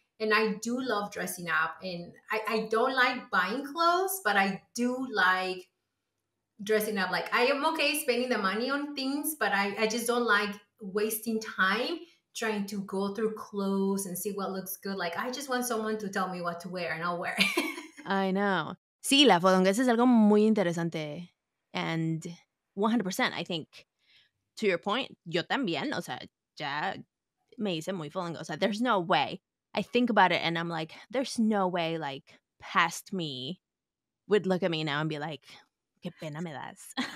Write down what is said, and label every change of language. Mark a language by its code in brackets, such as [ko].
[en] And I do love dressing up. And I don't like buying clothes, but I do like dressing up. Like, I am okay spending the money on things, but I just don't like wasting time trying to go through clothes and see what looks good. Like, I just want someone to tell me what to wear and I'll wear it. I know. [es] Sí, la fodonga es algo muy interesante. [en] And 100%, I think, to your point, [es] yo también, o sea, ya me hice muy fodonga. O sea, [en] there's no way. I think about it and I'm like, there's no way, like, past me would look at me now and be like, [es] qué pena me das.